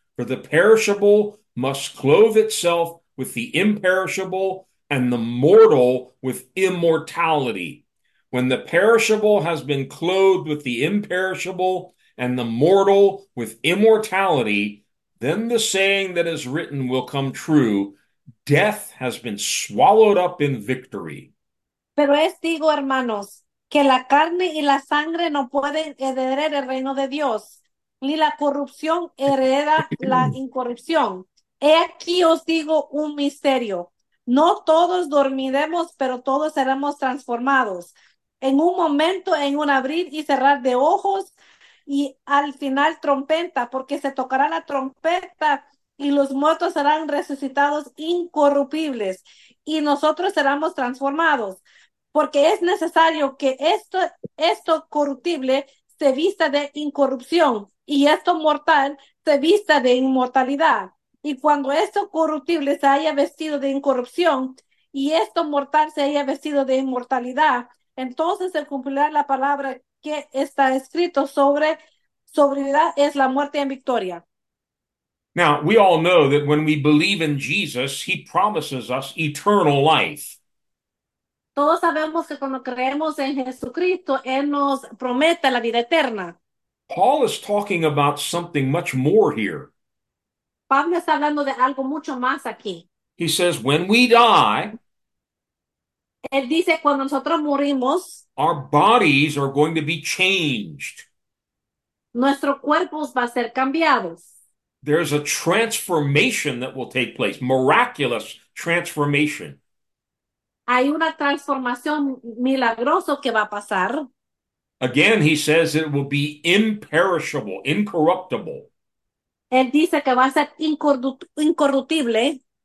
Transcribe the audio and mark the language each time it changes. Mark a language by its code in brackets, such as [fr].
[en] For the perishable must clothe itself with the imperishable, and the mortal with immortality. When the perishable has been clothed with the imperishable, and the mortal with immortality, then the saying that is written will come true: death has been swallowed up in victory. [es] Pero es digo, hermanos, que la carne y la sangre no pueden heredar el reino de Dios, ni la corrupción hereda la incorrupción. He aquí os digo un misterio. No todos dormiremos, pero todos seremos transformados en un momento, en un abrir y cerrar de ojos, y al final trompeta, porque se tocará la trompeta. Y los muertos serán resucitados incorruptibles, y nosotros seremos transformados, porque es necesario que esto corruptible se vista de incorrupción, y esto mortal se vista de inmortalidad. Y cuando esto corruptible se haya vestido de incorrupción, y esto mortal se haya vestido de inmortalidad, entonces se cumplirá la palabra que está escrito sobre vida es la muerte en victoria. [en] Now, we all know that when we believe in Jesus, he promises us eternal life. [es] Todos sabemos que cuando creemos en Jesucristo, Él nos promete la vida eterna. [en] Paul is talking about something much more here. [es] Pablo está hablando de algo mucho más aquí. [en] He says, when we die, [es] Él dice, cuando nosotros morimos, [en] our bodies are going to be changed. [es] nuestro cuerpo va a ser cambiado. [en] There's a transformation that will take place, miraculous transformation. [es] Hay una transformación milagrosa que va a pasar. [en] Again, he says it will be imperishable, incorruptible. [es] Él dice que va a ser incorruptible.